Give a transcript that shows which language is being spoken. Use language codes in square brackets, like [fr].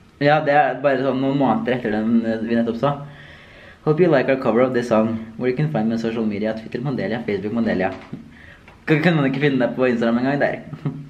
[no] Ja, det bare sånn noen måneder etter den vi nettopp sa. [en] Hope you like our cover of this song, where you can find me on social media, Twitter Mandelia, Facebook Mandelia. [no] Kan man ikke finne deg på Instagram en gang der?